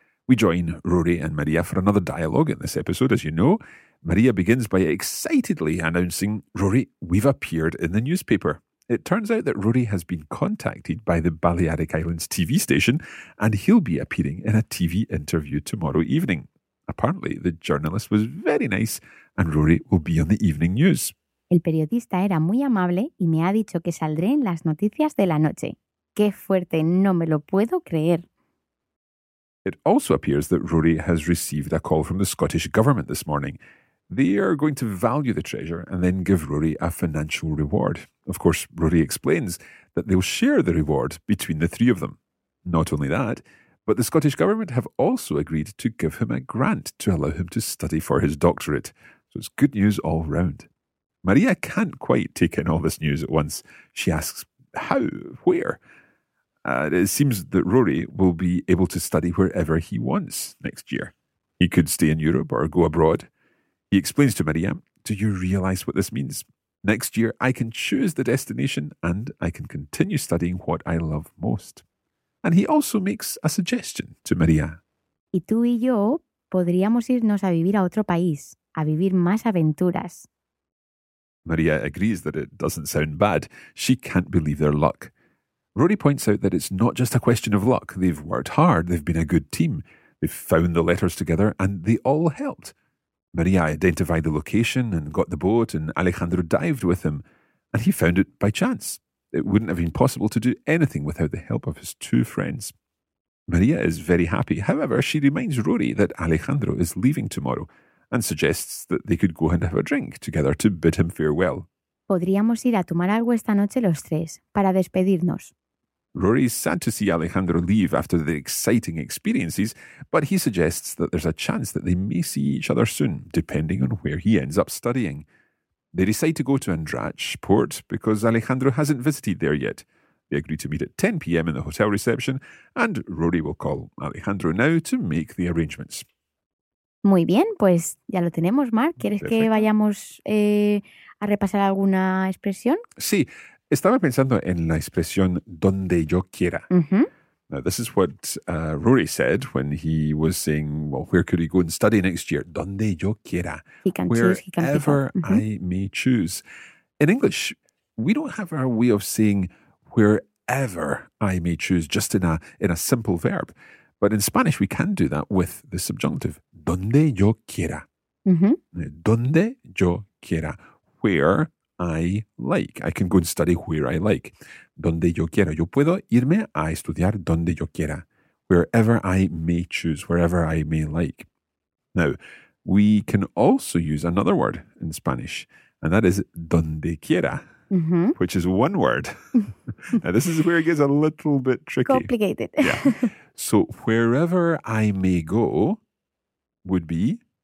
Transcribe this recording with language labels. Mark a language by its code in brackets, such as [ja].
[en] We join Rory and Maria for another dialogue in this episode. As you know, Maria begins by excitedly announcing, "Rory, we've appeared in the newspaper." It turns out that Rory has been contacted by the Balearic Islands TV station and he'll be appearing in a TV interview tomorrow evening. Apparently, the journalist was very nice and Rory will be on the evening news. [es] El periodista era muy amable y me ha dicho que saldré en las noticias de la noche. ¡Qué fuerte! No me lo puedo creer. [en] It also appears that Rory has received a call from the Scottish government this morning. They are going to value the treasure and then give Rory a financial reward. Of course, Rory explains that they'll share the reward between the three of them. Not only that, but the Scottish government have also agreed to give him a grant to allow him to study for his doctorate. So it's good news all round. Maria can't quite take in all this news at once. She asks, how? Where? It seems that Rory will be able to study wherever he wants next year. He could stay in Europe or go abroad. He explains to Maria, do you realise what this means? Next year, I can choose the destination and I can continue studying what I love most. And he also makes a suggestion to Maria. [es] Y tú y yo podríamos irnos a vivir a otro país, a vivir más aventuras. [en] Maria agrees that it doesn't sound bad. She can't believe their luck. Rory points out that it's not just a question of luck. They've worked hard, they've been a good team. They've found the letters together and they all helped. Maria identified the location and got the boat and Alejandro dived with him. And he found it by chance. It wouldn't have been possible to do anything without the help of his two friends. Maria is very happy. However, she reminds Rory that Alejandro is leaving tomorrow and suggests that they could go and have a drink together to bid him farewell. [es] Podríamos ir a tomar algo esta noche los tres, para despedirnos. [en] Rory is sad to see Alejandro leave after the exciting experiences, but he suggests that there's a chance that they may see each other soon, depending on where he ends up studying. They decide to go to Andratx port because Alejandro hasn't visited there yet. They agree to meet at 10 p.m. in the hotel reception, and Rory will call Alejandro now to make the arrangements. [es] Muy bien, pues ya lo tenemos, Mark. ¿Quieres Perfecto. Que vayamos a repasar alguna expresión? Sí, estaba pensando en la expresión donde yo quiera. Uh-huh. [en] Now, this is what Rory said when he was saying, well, where could he go and study next year? [es] Donde yo quiera. [en] He can wherever choose, he can uh-huh. I may choose. In English, we don't have our way of saying wherever I may choose just in a simple verb. But in Spanish, we can do that with the subjunctive. [es] Donde yo quiera. Mm-hmm. Donde yo quiera. [en] Where I like. I can go and study where I like. [es] Donde yo quiera. Yo puedo irme a estudiar donde yo quiera. [en] Wherever I may choose. Wherever I may like. Now, we can also use another word in Spanish. And that is donde quiera. Mm-hmm. Which is one word. Now, this is where it gets a little bit tricky. Complicated. Yeah. So, wherever I may go would be?